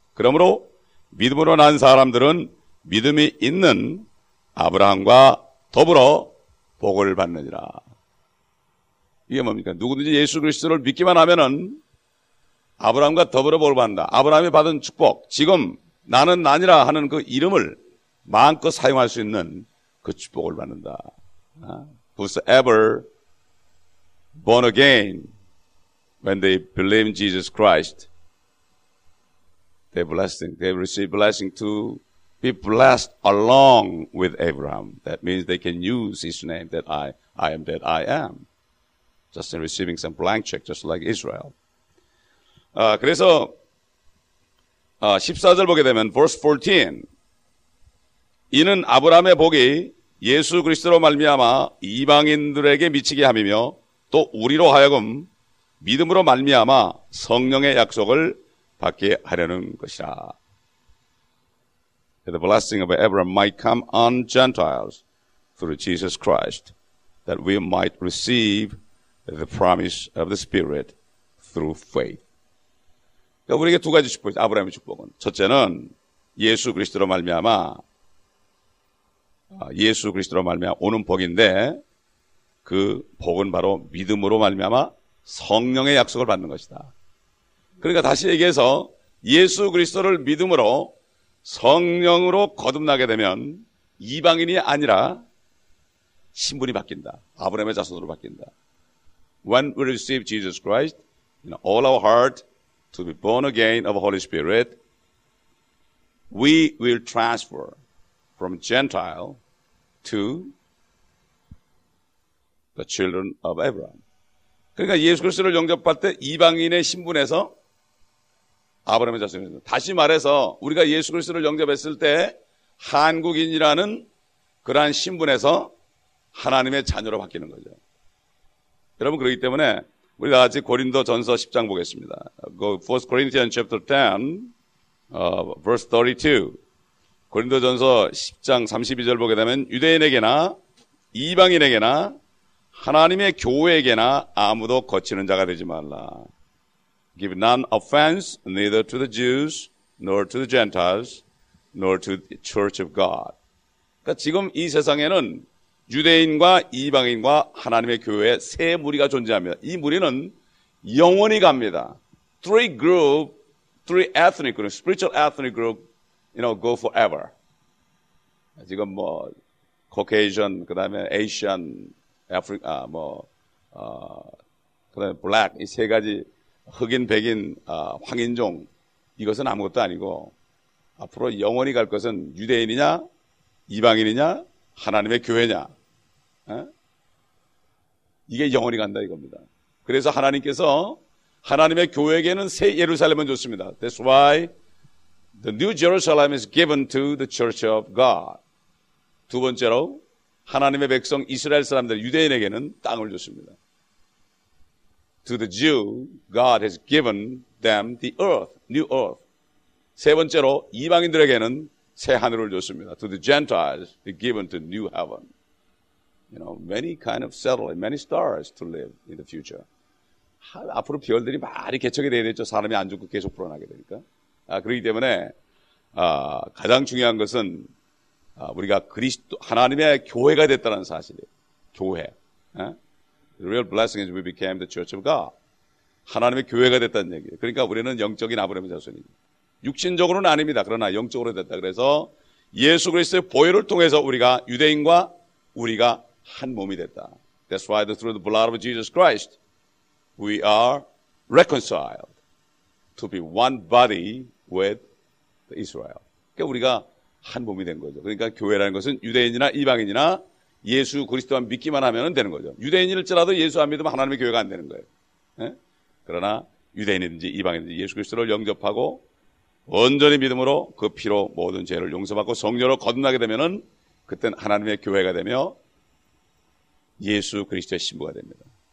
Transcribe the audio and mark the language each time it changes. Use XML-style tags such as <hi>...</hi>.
<ko>그러므로 믿음으로 난 사람들은 믿음이 있는 아브라함과 더불어 복을 받느니라. 이게 뭡니까? 누구든지 예수 그리스도를 믿기만 하면은 아브라함과 더불어 복을 받는다. 아브라함이 받은 축복, 지금 나는 나니라 하는 그 이름을 마음껏 사용할 수 있는 그 축복을 받는다.</ko> <en>Who's ever born again when they believe in Jesus Christ, they blessing, they receive blessing to be blessed along with Abraham. That means they can use his name that I am that I am. Just in receiving some blank check, just like Israel.</en> <ko>그래서 14절 보게 되면</ko> <en>verse 14.</en> <ko>이는 아브라함의 복이 예수 그리스도로 말미암아 이방인들에게 미치게 함이며 또 우리로 하여금 믿음으로 말미암아 성령의 약속을 받게 하려는 것이라.</ko> <en>The blessing of Abraham might come on Gentiles through Jesus Christ, that we might receive the promise of the Spirit through faith.</en> <ko>그러니까 우리에게 두 가지 축복이죠. 아브라함의 축복은 첫째는 예수 그리스도로 말미암아 예수 그리스도로 말미암아 오는 복인데 그 복은 바로 믿음으로 말미암아 성령의 약속을 받는 것이다. 그러니까 다시 얘기해서 예수 그리스도를 믿음으로 성령으로 거듭나게 되면 이방인이 아니라 신분이 바뀐다. 아브라함의 자손으로 바뀐다.</ko> <en>When we receive Jesus Christ in all our heart to be born again of the Holy Spirit, we will transfer from Gentile to the children of Abraham.</en> <ko>그러니까 예수 그리스도를 영접할 때 이방인의 신분에서 아브라함의 자손입니다. 다시 말해서 우리가 예수 그리스도를 영접했을 때 한국인이라는 그러한 신분에서 하나님의 자녀로 바뀌는 거죠. 여러분 그렇기 때문에 우리 다 같이 고린도 전서 10장 보겠습니다.</ko> <en>First Corinthians chapter 10, verse 32.</en> <ko>고린도 전서 10장 32절 보게 되면 유대인에게나 이방인에게나 하나님의 교회에게나 아무도 거치는 자가 되지 말라.</ko> <en>Give none offense neither to the Jews nor to the Gentiles nor to the Church of God.</en> <ko>그러니까 지금 이 세상에는 유대인과 이방인과 하나님의 교회 세 무리가 존재합니다. 이 무리는 영원히 갑니다.</ko> <en>Three group, three ethnic group, spiritual ethnic group, you know, go forever.</en> <ko>지금 뭐 Caucasian, 그다음에 Asian, Africa, 뭐 그다음에 Black 이 세 가지 흑인, 백인, 황인종 이것은 아무것도 아니고 앞으로 영원히 갈 것은 유대인이냐, 이방인이냐, 하나님의 교회냐 이게 영원히 간다 이겁니다. 그래서 하나님께서 하나님의 교회에게는 새 예루살렘은 줬습니다.</ko> <en>That's why the new Jerusalem is given to the church of God.</en> <ko>두 번째로 하나님의 백성 이스라엘 사람들 유대인에게는 땅을 줬습니다.</ko> <en>To the Jew, God has given them the earth, new earth.</en> <ko>세 번째로 이방인들에게는 새 하늘을 줬습니다.</ko> <en>To the Gentiles, they given to new heaven. You know, many kind of satellite, many stars to live in the future.</en> <ko>앞으로 별들이 많이 개척이 되어야 되죠. 사람이 안 죽고 계속 불어나게 되니까. 그렇기 때문에 가장 중요한 것은 우리가 그리스도 하나님의 교회가 됐다는 사실이에요. 교회.</ko> <en>The real blessing is we became the church of God.</en> <ko>하나님의 교회가 됐다는 얘기예요. 그러니까 우리는 영적인 아브라함의 자손입니다. 육신적으로는 아닙니다. 그러나 영적으로 됐다. 그래서 예수 그리스도의 보혈을 통해서 우리가 유대인과 우리가 한 몸이 됐다.</ko> <en>That's why through the blood of Jesus Christ, we are reconciled to be one body with Israel.</en> <ko>그러니까 우리가 한 몸이 된 거죠. 그러니까 교회라는 것은 유대인이나 이방인이나 예수 그리스도만 믿기만 하면 되는 거죠. 유대인일지라도 예수 안 믿으면 하나님의 교회가 안 되는 거예요. 네? 그러나 유대인이든지 이방인이든지 예수 그리스도를 영접하고 온전히 믿음으로 그 피로 모든 죄를 용서받고 성녀로 거듭나게 되면은 그땐 하나님의 교회가 되며 예수 그리스도의 신부가 됩니다.</ko>